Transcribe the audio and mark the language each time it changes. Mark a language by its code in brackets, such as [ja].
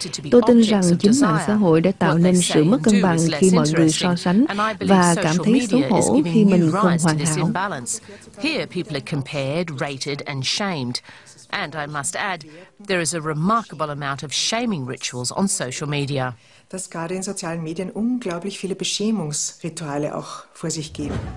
[vi] Tôi tin rằng chính mạng xã hội đã tạo nên sự mất cân bằng khi mọi người so sánh và cảm thấy xấu hổ khi mình không hoàn hảo. [en] Here people are compared, rated and shamed. And I must add, there is a remarkable amount of shaming rituals on social media. [de] Dass gerade in sozialen Medien unglaublich viele Beschämungsrituale auch vor sich gehen.